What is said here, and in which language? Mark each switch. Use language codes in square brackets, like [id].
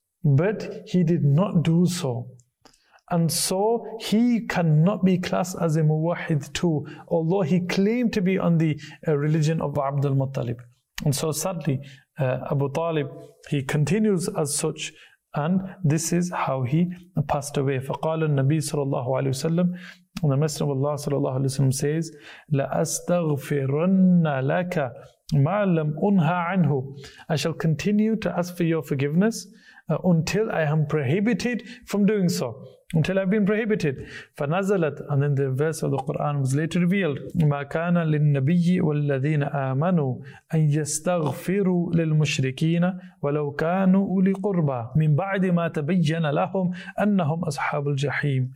[en] But he did not do so. And so he cannot be classed as a muwahid too, although he claimed to be on the religion of Abdul Muttalib. And so sadly, Abu Talib, he continues as such, and this is how he passed away. [ar] فَقَالَ النَّبِيُّ صَلَّى اللَّهُ عَلَيْهِ وَسَلَّمَ, [en] and the Messenger of Allah [ar] صَلَّى اللَّهُ عَلَيْهِ وَسَلَّمَ says, لَأَسْتَغْفِرَنَّ لَكَ مَا لَمْ أُنْهَى عَنْهُ. [en] I shall continue to ask for your forgiveness until I am prohibited from doing so. Until I've been prohibited. فَنَزَلَتْ, and then the verse of the Quran was later revealed. [ar] مَا كَانَ لِلنَّبِيِّ وَالَّذِينَ آمَنُوا أَن يَسْتَغْفِرُوا لِلْمُشْرِكِينَ وَلَوْ كَانُوا أُولِي قُرْبَى مِن بَعْدِ مَا تَبَيَّنَ لَهُمْ أَنَّهُمْ أَصْحَابُ الْجَحِيمِ.